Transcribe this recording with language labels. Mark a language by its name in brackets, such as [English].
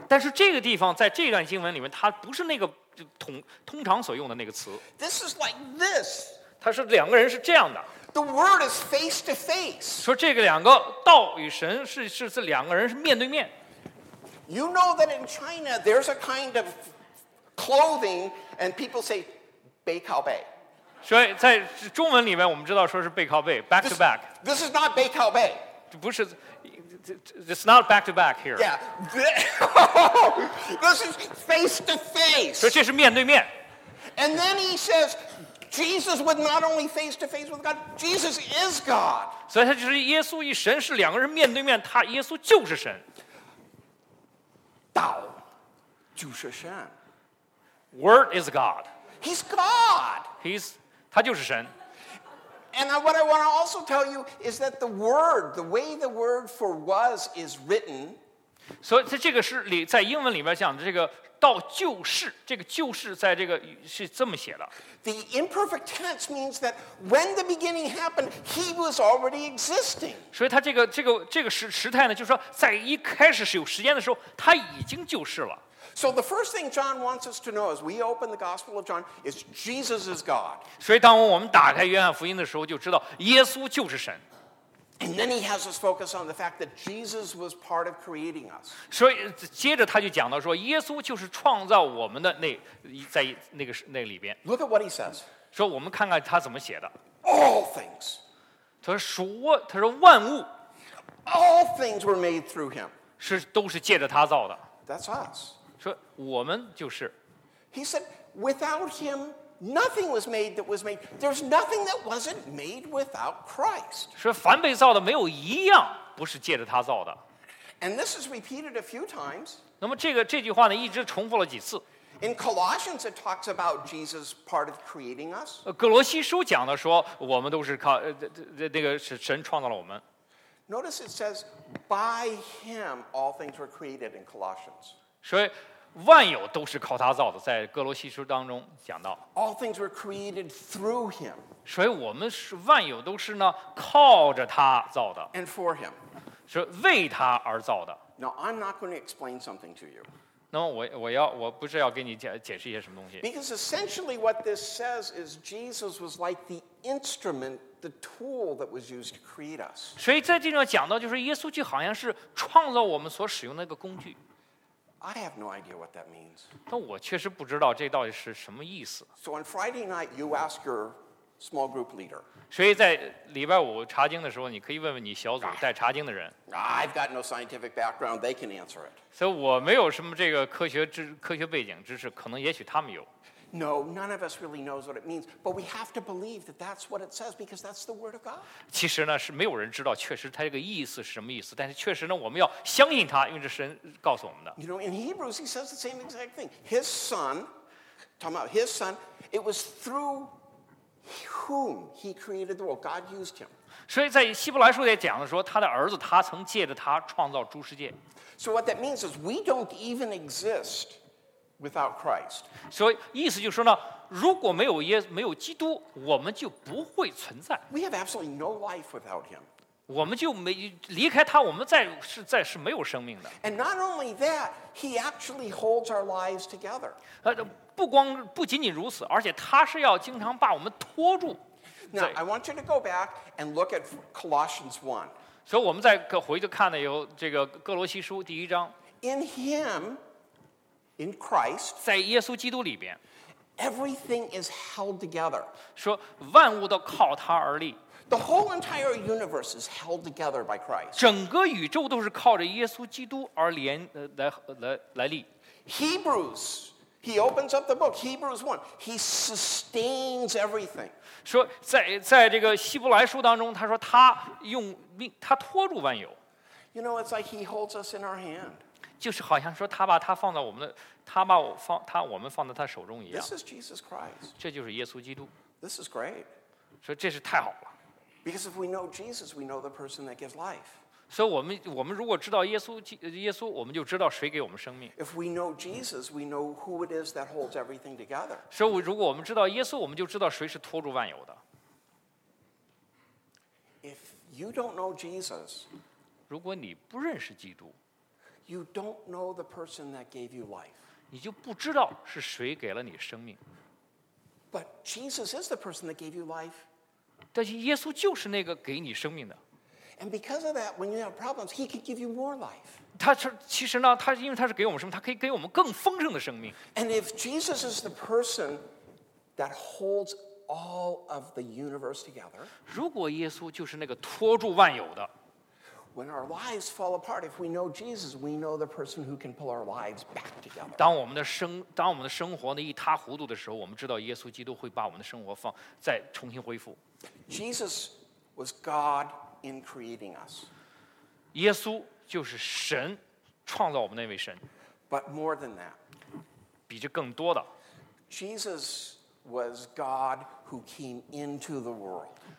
[Chinese] 但是这个地方在这段经文里面它不是那个通常所用的那个词。 [English] This is like this. [Chinese] 它是两个人是这样的。 [English] The word is face to face. [Chinese] 说这个两个道与神是两个人是面对面。 [English] You know that in China there's a kind of clothing and people say [Chinese] 背靠背。所以在中文里面我们知道说是背靠背 [English] back to back. This is not [Chinese] 背靠背。不是 [English] it's not back to back here. Yeah. This is face to face. [Chinese] 说这是面对面。 [English] And then he says,Jesus was not only face to face with God. Jesus is God. [Chinese] 所以他就是耶稣与神是两个人面对面。他耶稣就是神。道就是神。 [English] Word is God. He's God. He's [Chinese] 他就是神。 [English] And what I want to also tell you is that the word, the way the word for was is written. [Chinese] 所以这个是里在英文里面讲的这个。道就是这个就是在这个是这么写的。 [English] The imperfect tense means that when the beginning happened, he was already existing. [Chinese] 所以他这个时态呢，就是说在一开始是有时间的时候，他已经就是了。 [English] So the first thing John wants us to know as we open the Gospel of John is Jesus is God. [Chinese] 所以当我们打开约翰福音的时候，就知道耶稣就是神。 [English] And then he has us focus on the fact that Jesus was part of creating us. [Chinese] 所以接着他就讲到说，耶稣就是创造我们的那在那个那里边。 [English] Look at what he says. [Chinese] 说我们看看他怎么写的。 [English] All things. [Chinese] 他说万物。 [English] All things were made through him. [Chinese] 是都是借着他造的。 [English] That's us. [Chinese] 说我们就是。 [English] He said, without him. Nothing was made that was made. There's nothing that wasn't made without Christ. [Chinese] 说凡被造的没有一样不是借着他造的。 [English] And this is repeated a few times. [Chinese] 那么这句话呢，一直重复了几次。 [English] In Colossians, it talks about Jesus part of creating us. [Chinese] 哥罗西书讲的说，我们都是靠那个神创造了我们。 [English] Notice it says, "By Him all things were created." In Colossians. [Chinese] 所以万有都是靠他造的，在哥罗西书当中讲到。 [English] All things were created through him. [Chinese] 所以我们是万有都是呢靠着他造的。 [English] And for him. [Chinese] 是为他而造的。 [English] Now I'm not going to explain something to you. [Chinese] 那么我不是要给你解释一些什么东西。 [English] Because essentially what this says is Jesus was like the instrument. The tool that was used to create us. [Chinese] 所以在这里讲到，就是耶稣就好像是创造我们所使用的那个工具。 [English] I have no idea what that means. [Chinese] 但我确实不知道这到底是什么意思。 [English] So on Friday night, you ask your small group leader. [Chinese] 所以在礼拜五查经的时候，你可以问问你小组带查经的人。 [English] I've got no scientific background. They can answer it. [Chinese] 所以我没有什么这个科学背景知识，可能也许他们有。 [English] No, none of us really knows what it means, but we have to believe that that's what it says because that's the word of God. [Chinese] 其实呢是没有人知道确实它这个意思是什么意思，但是确实呢我们要相信它，因为这是神告诉我们的。 [English] You know, in Hebrews, he says the same exact thing. His son, talking about his son, it was through whom he created the world. God used him. [Chinese] 所以在希伯来书也讲了说，他的儿子他曾借着他创造诸世界。 [English] So what that means is we don't even exist. Without Christ, so [Chinese] 意思就是说呢，如果没有耶，没有基督，我们就不会存在。 [English] We have absolutely no life without Him. [Chinese] 我们就没离开他，我们再是没有生命的。 [English] And not only that, He actually holds our lives together. [Chinese] 不仅仅如此，而且他是要经常把我们拖住。 [English] Now I want you to go back and look at Colossians 1. [Chinese] 所以我们再回去看呢，有这个哥罗西书第一章。 [English] In Him. In Christ, [Chinese] 在耶稣基督里边 [English] everything is held together. [Chinese] 说万物都靠他而立 [English] The whole entire universe is held together by Christ. [Chinese] 整个宇宙都是靠着耶稣基督而连来立 [English] Hebrews, he opens up the book, Hebrews 1, he sustains everything. [Chinese] 说在这个希伯来书当中，他说他用命，他托住万有 [English] You know, it's like he holds us in our hand. [Chinese] 就是好像说他把他放在我们的，他把我放他我们放在他手中一样。 [English] This is Jesus Christ. [Chinese] 这就是耶稣基督。 [English] This is great. [Chinese] 所以这是太好了。 [English] Because if we know Jesus, we know the person that gives life. [Chinese] 所以我们如果知道耶稣，我们就知道谁给我们生命。 [English] If we know Jesus, we know who it is that holds everything together. [Chinese] 所以如果我们知道耶稣，我们就知道谁是托住万有的。 [English] If you don't know Jesus, [Chinese] 如果你不认识基督。 [English] You don't know the person that gave you life. [Chinese] 你就不知道是谁给了你生命。 [English] But Jesus is the person that gave you life. [Chinese] 但是耶稣就是那个给你生命的。 [English] And because of that, when you have problems, he can give you more life. [Chinese] 他是其实呢，他因为他是给我们生命，他可以给我们更丰盛的生命。 [English] And if Jesus is the person that holds all of the universe together, [Chinese] 如果耶稣就是那个托住万有的。 [English] When our lives fall apart, if we know Jesus, we know the person who can pull our lives back together. [Chinese] 当我们的生活呢一塌糊涂的时候，我们知道耶稣基督会把我们的生活再重新恢复。 [English] Jesus was God in creating us. [Chinese] 耶稣就是神创造我们那位神。 [English] But more than that, [Chinese] 比这更多的 [English] Jesus was God who came into the world.